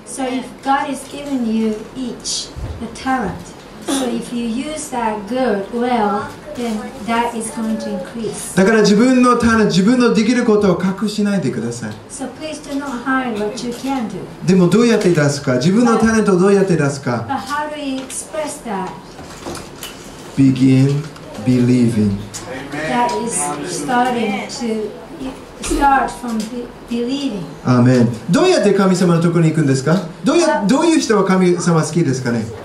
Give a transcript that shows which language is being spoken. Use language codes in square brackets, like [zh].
[en] So if God has given you each the talent, so if you use that good well, then that is going to increase. [ja] だから自分のタレント、自分のできることを隠しないでください。 [en] So please do not hide what you can do. [ja] でもどうやって出すか、自分のタレントをどうやって出すか。 [en] But how do you express that? Begin believing. That is starting to start from believing. Amen. [ja] どうやって神様のところに行くんですか?どういう人は神様好きですかね?